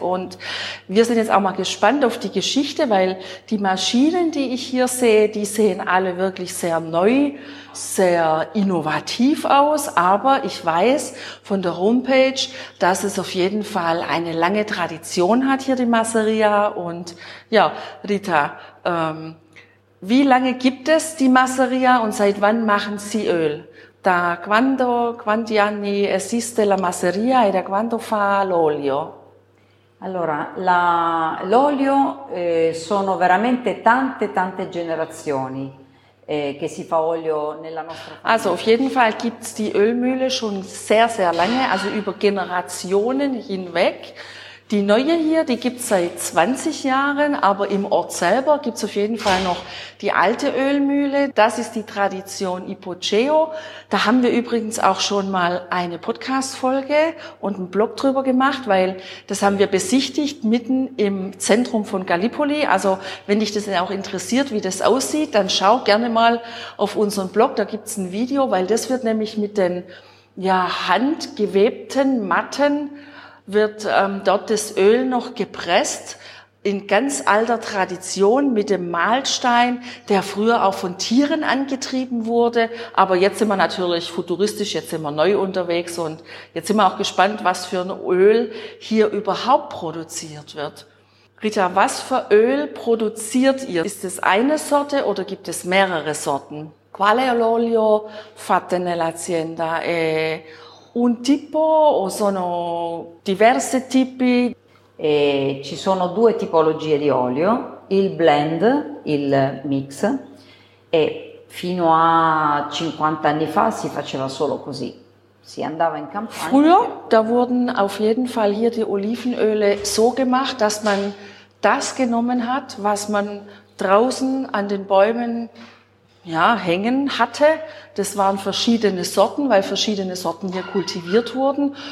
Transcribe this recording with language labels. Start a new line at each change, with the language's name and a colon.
German: Und wir sind jetzt auch mal gespannt auf die Geschichte, weil die Maschinen, die ich hier sehe, die sehen alle wirklich sehr neu, sehr innovativ aus. Aber ich weiß von der Homepage, dass es auf jeden Fall eine lange Tradition hat hier, die Masseria. Und ja, Rita, wie lange gibt es die Masseria und seit wann machen sie Öl?
Italian: Da quando, quanti anni esiste la Masseria e da quando fa l'olio? Allora, l'olio sono veramente tante, tante generazioni che si fa olio nella nostra famiglia.
German: Also auf jeden Fall gibt es die Ölmühle schon sehr, sehr lange, also über Generationen hinweg. Die neue hier, die gibt's seit 20 Jahren, aber im Ort selber gibt's auf jeden Fall noch die alte Ölmühle. Das ist die Tradition Ipogeo. Da haben wir übrigens auch schon mal eine Podcast-Folge und einen Blog drüber gemacht, weil das haben wir besichtigt mitten im Zentrum von Gallipoli. Also wenn dich das auch interessiert, wie das aussieht, dann schau gerne mal auf unseren Blog. Da gibt's ein Video, weil das wird nämlich mit den handgewebten Matten wird dort das Öl noch gepresst in ganz alter Tradition mit dem Mahlstein, der früher auch von Tieren angetrieben wurde. Aber jetzt sind wir natürlich futuristisch, jetzt sind wir neu unterwegs und jetzt sind wir auch gespannt, was für ein Öl hier überhaupt produziert wird. Rita, was für Öl produziert ihr? Ist es eine Sorte oder gibt es mehrere Sorten?
Italian: Qual è l'olio fatto nell'azienda? Un tipo o sono diversi tipi? E ci sono due tipologie di olio, il blend, il mix, e fino a 50 anni fa si faceva solo così. Si andava in campagna.
German: Früher, da wurden auf jeden Fall hier die Olivenöle so gemacht, dass man das genommen hat, was man draußen an den Bäumen hängen hatte. Das waren verschiedene Sorten, weil verschiedene Sorten hier kultiviert wurden.